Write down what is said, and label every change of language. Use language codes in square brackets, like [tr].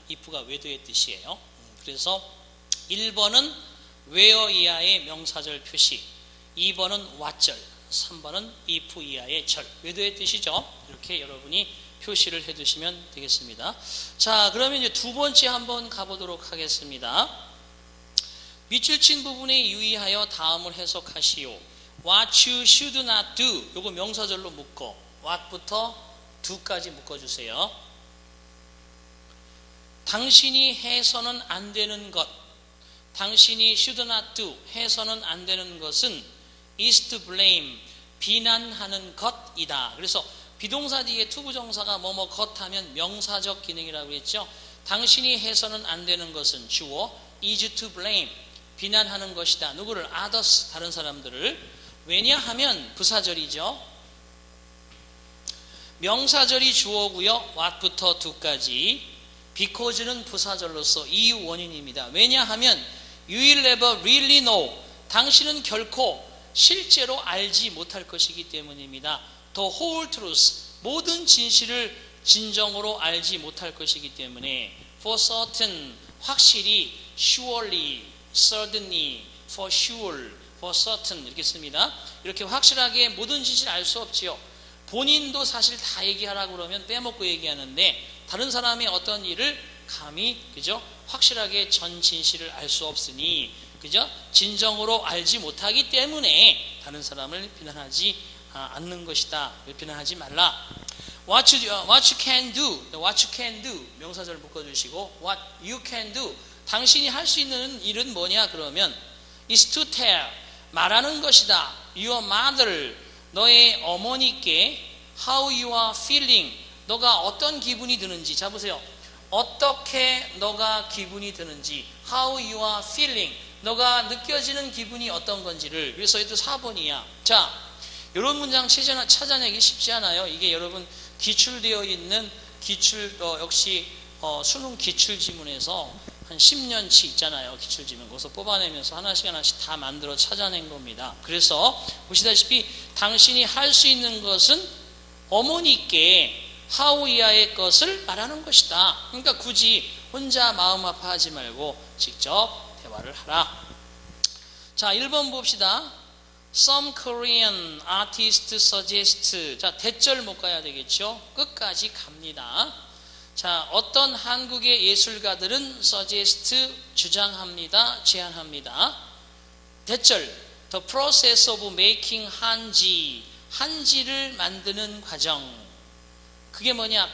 [ko] if가 whether의 뜻이에요. 그래서 1번은 where 이하의 명사절 표시, 2번은 what절, 3번은 if 이하의 절, whether의 뜻이죠. 이렇게 여러분이 표시를 해두시면 되겠습니다. 자, 그러면 이제 두 번째 한번 가보도록 하겠습니다. 밑줄 친 부분에 유의하여 다음을 해석하시오. [en] what you should not do, [ko] 요거 명사절로 묶어. what부터 두까지 묶어주세요. 당신이 해서는 안 되는 것, 당신이 [en] should not do, [ko] 해서는 안 되는 것은 [en] is to blame, [ko] 비난하는 것이다. 그래서 비동사 뒤에 to 부정사가 뭐뭐 것 하면 명사적 기능이라고 했죠. 당신이 해서는 안 되는 것은 주어 [en] is to blame, [ko] 비난하는 것이다. 누구를? others, 다른 사람들을. 왜냐하면 부사절이죠. 명사절이 주어고요. what부터 do까지. because는 부사절로서 이유 원인입니다. 왜냐하면 [en] you will never really know, [ko] 당신은 결코 실제로 알지 못할 것이기 때문입니다. [en] the whole truth, [ko] 모든 진실을 진정으로 알지 못할 것이기 때문에 [en] for certain, [ko] 확실히 [en] surely, certainly, for sure, for certain [ko] 이렇게 씁니다. 이렇게 확실하게 모든 진실을 알 수 없지요. 본인도 사실 다 얘기하라고 그러면 빼먹고 얘기하는데 다른 사람의 어떤 일을 감히, 그죠? 확실하게 전 진실을 알 수 없으니, 그죠? 진정으로 알지 못하기 때문에 다른 사람을 비난하지 않는 것이다. 비난하지 말라. [en] What you can do. [ko] 명사절 묶어주시고, [en] what you can do. [ko] 당신이 할 수 있는 일은 뭐냐, 그러면. [en] is to tell, [ko] 말하는 것이다. Your mother, 너의 어머니께 [en] how you are feeling, [ko] 너가 어떤 기분이 드는지. 자, 보세요. 어떻게 너가 기분이 드는지, [en] how you are feeling, [ko] 너가 느껴지는 기분이 어떤 건지를. 그래서 이것도 4번이야. 자, 이런 문장 찾아내기 쉽지 않아요. 이게 여러분 기출되어 있는 역시 수능 기출 지문에서 한 10년치 있잖아요. 기출 지문 거기서 뽑아내면서 하나씩 하나씩 다 만들어 찾아낸 겁니다. 그래서 보시다시피 당신이 할 수 있는 것은 어머니께 하우이아의 것을 말하는 것이다. 그러니까 굳이 혼자 마음 아파하지 말고 직접 대화를 하라. 자, 1번 봅시다. [en] Some Korean artists suggest. [ko] 자, 대절 못 가야 되겠죠? 끝까지 갑니다. 자, 어떤 한국의 예술가들은 suggest, 주장합니다, 제안합니다. 대절, [en] the process of making [ko] 한지, 한지를 만드는 과정. 그게 뭐냐?